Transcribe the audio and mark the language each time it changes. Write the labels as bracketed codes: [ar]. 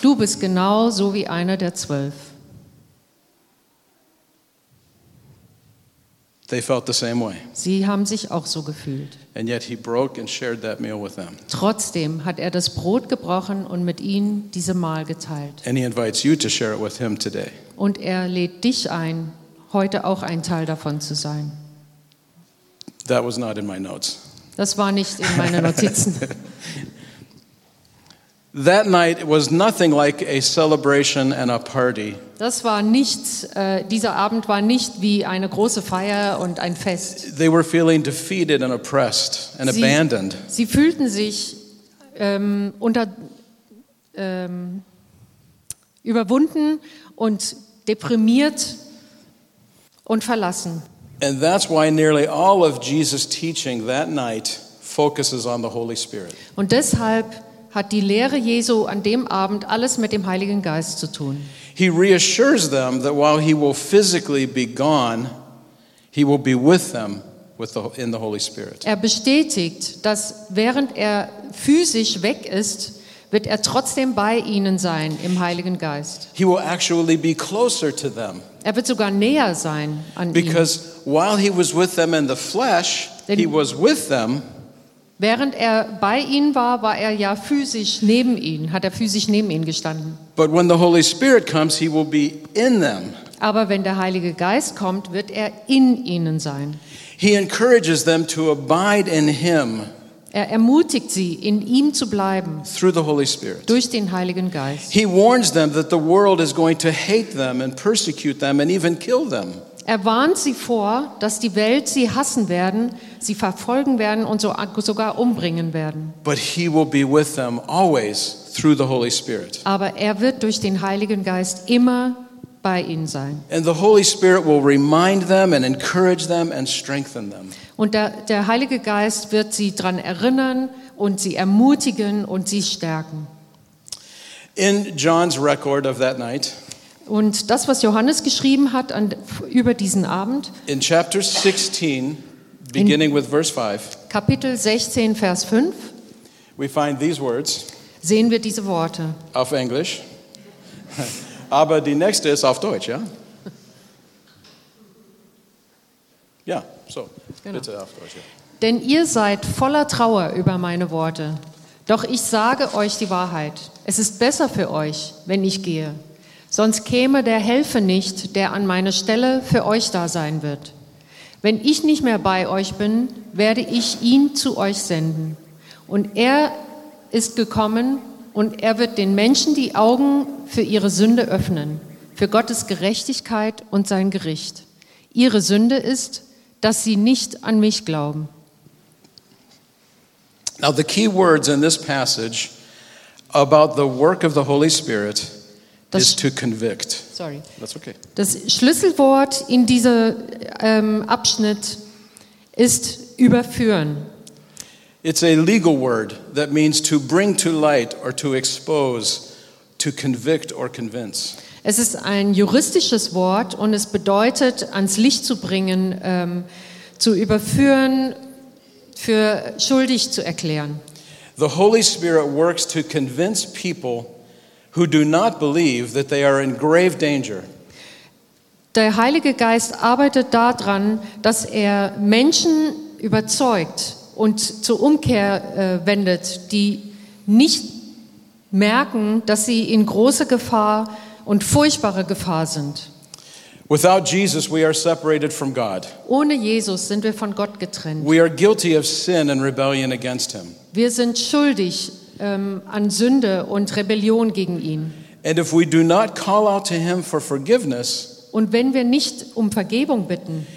[de] Du bist genau so wie einer der 12. [en] They felt the same way. [de] Sie haben sich auch so gefühlt. [en] And yet he broke and shared that meal with them. [de] Trotzdem hat er das Brot gebrochen und mit ihnen diese Mahl geteilt. [en] And he invites you to share it with him today. [de] Und er lädt dich ein, heute auch ein Teil davon zu sein. [en] That was not in my notes. [de] Das war nicht in meinen Notizen. [en] That night was nothing like a celebration and a party. [de] Das war nichts, dieser Abend war nicht wie eine große Feier und ein Fest. [en] They were feeling defeated and oppressed and abandoned. [de] Sie fühlten sich überwunden und deprimiert und verlassen. [en] And that's why nearly all of Jesus' teaching that night focuses on the Holy Spirit. [de] Und deshalb hat die Lehre Jesu an dem Abend alles mit dem Heiligen Geist zu tun. [en] He reassures them that while he will physically be gone, he will be with them in the Holy Spirit. [de] Er bestätigt, dass während er physisch weg ist, wird er trotzdem bei ihnen sein im Heiligen Geist. [en] He will actually be closer to them. [de] Er wird sogar näher sein an ihnen. [en] Because while he was with them in the flesh, he was with them. [de] Während er bei ihnen war, war er ja physisch neben ihnen, hat er physisch neben ihnen gestanden. [en] But when the Holy Spirit comes, he will be in them. [de] Aber wenn der Heilige Geist kommt, wird er in ihnen sein. [en] He encourages them to abide in him. [de] Er ermutigt sie, in ihm zu bleiben. [en] Through the Holy Spirit. [de] Durch den Heiligen Geist. [en] He warns them that the world is going to hate them and persecute them and even kill them. [de] Er warnt sie vor, dass die Welt sie hassen werden, sie verfolgen werden und sogar umbringen werden. [en] But he will be with them always through the Holy Spirit. [de] Aber er wird durch den Heiligen Geist immer bei ihnen sein. [en] And the Holy Spirit will remind them and encourage them and strengthen them. [de] Und der Heilige Geist wird sie dran erinnern und sie ermutigen und sie stärken. [en] In John's record of that night. [de] Und das, was Johannes geschrieben hat über diesen Abend. [en] In chapter 16, beginning with verse 5. [de] Kapitel 16, Vers 5. [en] We find these words. [de] Sehen wir diese Worte. Auf Englisch. Aber die nächste ist auf Deutsch, ja? Ja, so, genau. Bitte auf Deutsch. Ja. Denn ihr seid voller Trauer über meine Worte. Doch ich sage euch die Wahrheit. Es ist besser für euch, wenn ich gehe. Sonst käme der Helfer nicht, der an meiner Stelle für euch da sein wird. Wenn ich nicht mehr bei euch bin, werde ich ihn zu euch senden. Und er ist gekommen und er wird den Menschen die Augen für ihre Sünde öffnen, für Gottes Gerechtigkeit und sein Gericht. Ihre Sünde ist, dass sie nicht an mich glauben. [en] Now the key words in this passage about the work of the Holy Spirit is to convict. Sorry. That's okay. [de] Das Schlüsselwort in diesem Abschnitt ist überführen. [en] It's a legal word that means to bring to light or to expose, to convict or convince. [de] Es ist ein juristisches Wort und es bedeutet, ans Licht zu bringen, zu überführen, für schuldig zu erklären. [en] The Holy Spirit works to convince people who do not believe that they are in grave danger. [de] Der Heilige Geist arbeitet daran, dass er Menschen überzeugt und zur Umkehr wendet, die nicht merken, dass sie in große Gefahr und furchtbare Gefahr sind. [en] Without Jesus, we are separated from God. [de] Ohne Jesus sind wir von Gott getrennt. [en] We are guilty of sin and rebellion against him. [de] Wir sind schuldig an Sünde und Rebellion gegen ihn. [en] And if we do not call out to him for forgiveness, [de] und wenn wir nicht um Vergebung bitten,